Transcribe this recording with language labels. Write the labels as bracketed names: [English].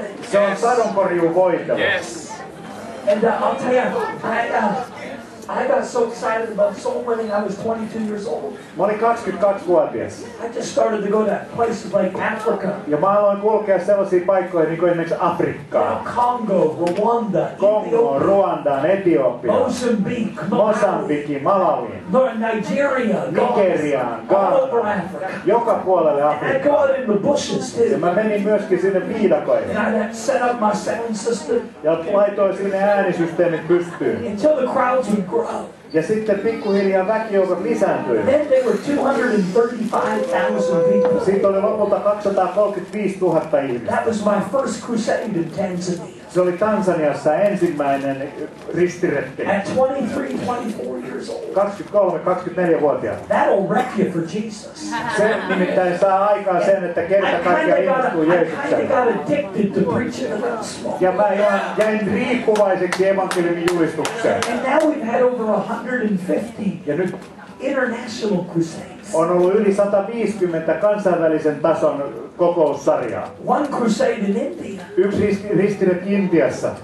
[Finnish] Se on sadonkorjuun voittava. [English] And I'll tell you, I got so excited about soul winning, I was 22 years old. [Finnish] Mä olin 22-vuotias. [English] I just started to go to places like Africa. [Finnish] Ja mä aloin kulkea sellaisia paikkoja, niin kuin esimerkiksi Afrikkaa. [English] Congo, Rwanda, [Finnish] Etiopia. [English] Mozambique, [Finnish] Malawi. [English] Nigeria, [Finnish] Nigeriaan, [English] all over Africa. [Finnish] Joka puolelle Afrikkaa. [English] And I got in the bushes too. [Finnish] Ja mä menin myöskin sinne viidakoille. [English] And I set up my sound system. [Finnish] Ja laitoin sinne äänisysteemit pystyyn. [English] Until the crowds would grow. [Finnish] Ja sitten pikkuhiljaa väkijoukot lisääntyi. [English] Then there were 235,000 people. [Finnish] Siitä oli lopulta 235,000 ihmistä. [English] That was my first crusade in Tanzania. [Finnish] Se oli Tansaniassa ensimmäinen ristiretki. [English] At 23-24 years old. [Finnish] 23-24-vuotiaana. [English] That'll wreck you for Jesus. [Finnish] Se nimittäin saa aikaan sen, että kerta kaikkia innostuu Jeesukseen. [English] I kinda got addicted to preaching about small. [Finnish] Ja mä jäin riippuvaiseksi evankeliumin julistukseen. [English] And now we've had over 150 international crusades. [Finnish] On ollut yli 150 kansainvälisen tason kokoussarjaa. [English] One crusade in India. [Finnish] Yksi ristiretki Intiassa.